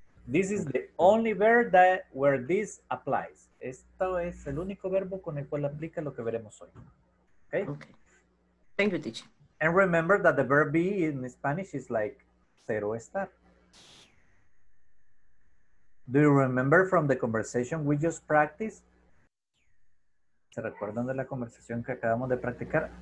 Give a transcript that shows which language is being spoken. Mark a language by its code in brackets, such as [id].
[en] This is the only verb that where this applies. [es] Esto es el único verbo con el cual aplica lo que veremos hoy. [en] Okay? Okay. Thank you, teacher. And remember that the verb be in Spanish is like ser o estar. Do you remember from the conversation we just practiced? [es] ¿Se recuerdan de la conversación que acabamos de practicar?